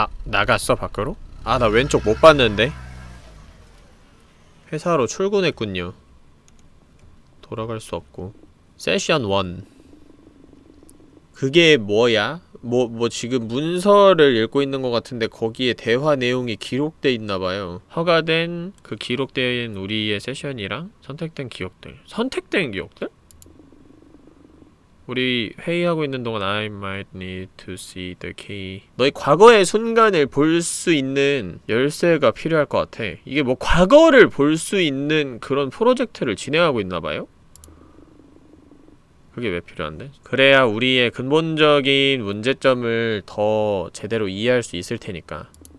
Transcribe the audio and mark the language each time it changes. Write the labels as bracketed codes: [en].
[ko] 나갔어, 밖으로? 아, 나 왼쪽 못 봤는데. 회사로 출근했군요. 돌아갈 수 없고. 세션 1. 그게 뭐야? 뭐 지금 문서를 읽고 있는 것 같은데 거기에 대화 내용이 기록돼 있나 봐요. 허가된 그 기록된 우리의 세션이랑 선택된 기억들. 선택된 기억들? 우리 회의하고 있는 동안 [en] I might need to see the key. [ko] 너의 과거의 순간을 볼수 있는 열쇠가 필요할 것 같아. 이게 뭐 과거를 볼수 있는 그런 프로젝트를 진행하고 있나 봐요? 그게 왜 필요한데? 그래야 우리의 근본적인 문제점을 더 제대로 이해할 수 있을 테니까.